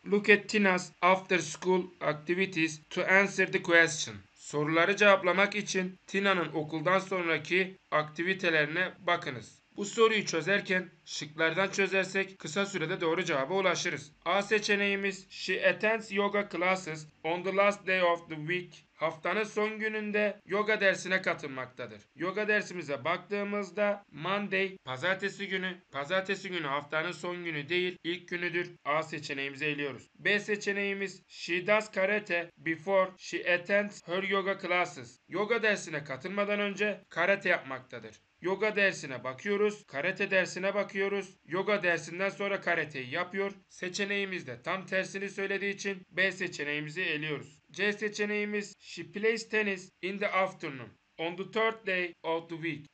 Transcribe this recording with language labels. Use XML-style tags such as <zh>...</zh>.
<en>Look at Tina's after school activities to answer the question.</en> <tr>Soruları cevaplamak için Tina'nın okuldan sonraki aktivitelerine bakınız. Bu soruyu çözerken şıklardan çözersek kısa sürede doğru cevaba ulaşırız. A seçeneğimiz</tr> <en>She attends yoga classes on the last day of the week.</en> <tr>Haftanın son gününde yoga dersine katılmaktadır. Yoga dersimize baktığımızda Monday, pazartesi günü. Pazartesi günü haftanın son günü değil, ilk günüdür. A seçeneğimizi eliyoruz. B seçeneğimiz</tr> <en>She does karate before she attends her yoga classes.</en> <tr>Yoga dersine katılmadan önce karate yapmaktadır. Yoga dersine bakıyoruz, karate dersine bakıyoruz. Yoga dersinden sonra karateyi yapıyor. Seçeneğimiz de tam tersini söylediği için B seçeneğimizi eliyoruz. C seçeneğimiz</tr> <en>She plays tennis in the afternoon on the third day of the week.</en>